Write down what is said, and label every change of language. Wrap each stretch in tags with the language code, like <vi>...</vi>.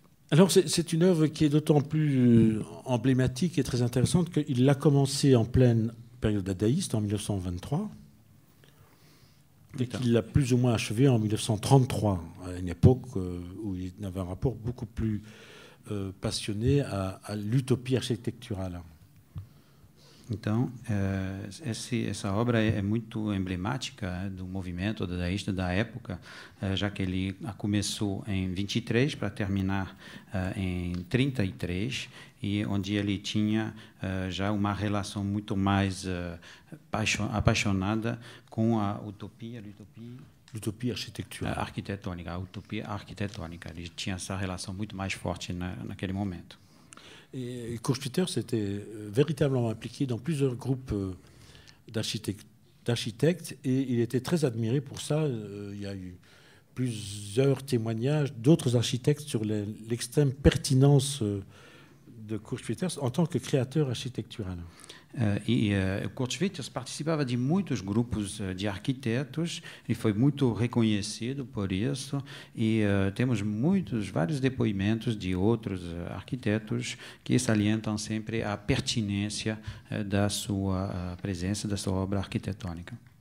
<fr>Alors c'est une œuvre qui est d'autant plus emblématique et très intéressante qu'il l'a commencé en pleine période dadaïste en 1923 et qu'il l'a plus ou moins achevé en 1933, à une époque où il avait un rapport beaucoup plus passionné à l'utopie architecturale.</fr> <pt>Então, essa obra é muito emblemática do movimento dadaísta da época, já que ele começou em 23 para terminar em 33, e onde ele tinha já uma relação muito mais apaixonada com a utopia,</pt> <fr>l'utopie architecturale.</fr> <pt>Arquitetônica, a utopia arquitetônica. Ele tinha essa relação muito mais forte naquele momento.</pt> <fr>Et Kurt Schwitters s'était véritablement impliqué dans plusieurs groupes d'architectes et il était très admiré pour ça. Il y a eu plusieurs témoignages d'autres architectes sur l'extrême pertinence de Kurt Schwitters en tant que créateur architectural.</fr> <pt>E Kurt Schwitters participava de muitos grupos de arquitetos e foi muito reconhecido por isso. E temos vários depoimentos de outros arquitetos que salientam sempre a pertinência da sua presença, da sua obra arquitetônica.</pt>